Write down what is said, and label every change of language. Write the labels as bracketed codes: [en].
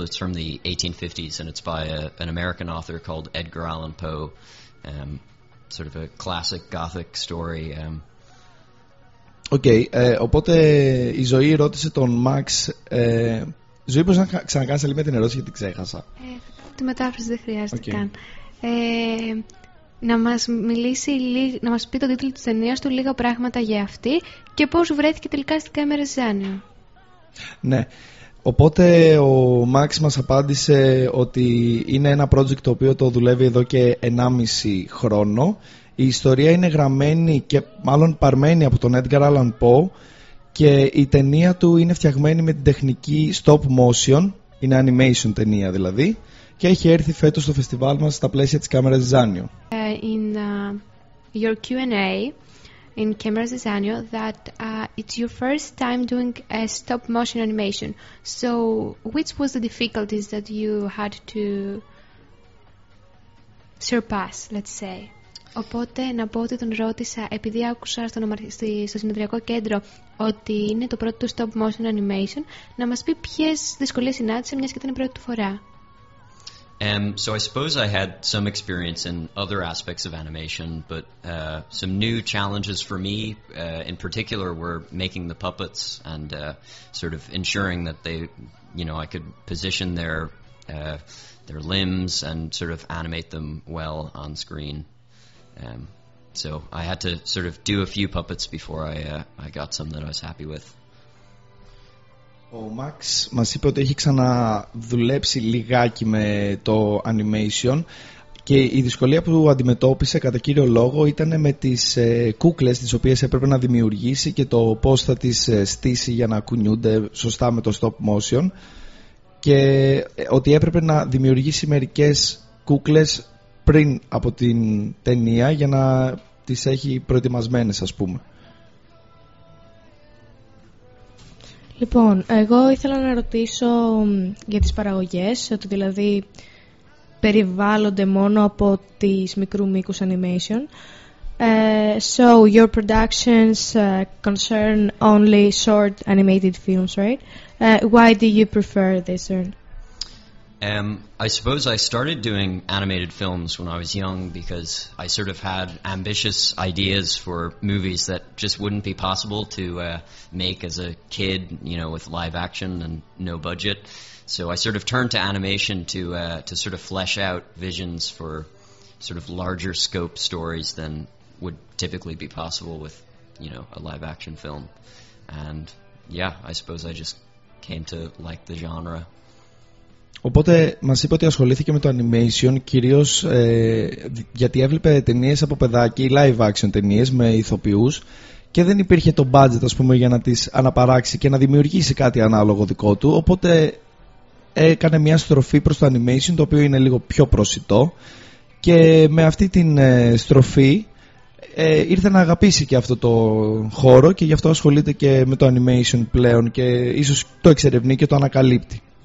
[en] It's from the 1850s, and it's by an American author called Edgar Allan Poe. Sort of a classic gothic story. [el] Okay, οπότε η Ζωή ρώτησε τον Max. Ζωή, μπορείς να ξανακάνεις λίγο την ερώτηση, γιατί ξέχασα. Τη μετάφραση δεν χρειάζεται καν. Να μας μιλήσει, να μας πει το τίτλο της ταινίας του, λίγα πράγματα για αυτή και πώς βρέθηκε τελικά στην Κάμερα Ζάνιο. Ναι, οπότε ο Max μας απάντησε ότι είναι ένα project το οποίο το δουλεύει εδώ και 1,5 χρόνο. Η ιστορία είναι γραμμένη και μάλλον παρμένη από τον Edgar Allan Poe και η ταινία του είναι φτιαγμένη με την τεχνική stop motion, είναι animation ταινία δηλαδή, και έχει έρθει φέτος στο φεστιβάλ μας στα πλαίσια της Κάμερας Ζάνιο. [en] In your Q&A in Camera Zizanio, that it's your first time doing a stop motion animation. So, which was the difficulties that you had to surpass, let's say? [el] Οπότε να πω ότι τον ρώτησα, επειδή άκουσα στο συνεδριακό κέντρο ότι είναι το πρώτο του stop motion animation, να μας πει ποιες δυσκολίες συνάντησε, μιας και ήταν η πρώτη του φορά. [en] So I suppose I had some experience in other aspects of animation, but some new challenges for me in particular were making the puppets and sort of ensuring that they, you know, I could position their limbs and sort of animate them well on screen. So I had to sort of do a few puppets before I got some that I was happy with. [el] Ο Max μας είπε ότι έχει ξαναδουλέψει λιγάκι με το animation και η δυσκολία που αντιμετώπισε κατά κύριο λόγο ήταν με τις κούκλες τις οποίες έπρεπε να δημιουργήσει και το πώς θα τις στήσει για να κουνιούνται σωστά με το stop motion και ότι έπρεπε να δημιουργήσει μερικές κούκλες πριν από την ταινία για να τις έχει προετοιμασμένες, ας πούμε. Λοιπόν, εγώ ήθελα να ρωτήσω για τις παραγωγές, ότι δηλαδή περιβάλλονται μόνο από τις μικρού μήκους animation. [en] So, your productions concern only short animated films, right? Why do you prefer this? I suppose I started doing animated films when I was young because I sort of had ambitious ideas for movies that just wouldn't be possible to make as a kid, you know, with live action and no budget. So I sort of turned to animation to sort of flesh out visions for sort of larger scope stories than would typically be possible with, you know, a live action film. And yeah, I suppose I just came to like the genre. [el] Οπότε μας είπε ότι ασχολήθηκε με το animation κυρίως γιατί έβλεπε ταινίες από παιδάκι, live action ταινίες με ηθοποιούς, και δεν υπήρχε το budget, ας πούμε, για να τις αναπαράξει και να δημιουργήσει κάτι ανάλογο δικό του. Οπότε έκανε μια στροφή προς το animation, το οποίο είναι λίγο πιο προσιτό, και με αυτή την στροφή ήρθε να αγαπήσει και αυτό το χώρο, και γι' αυτό ασχολείται και με το animation πλέον και ίσως το εξερευνεί και το ανακαλύπτει.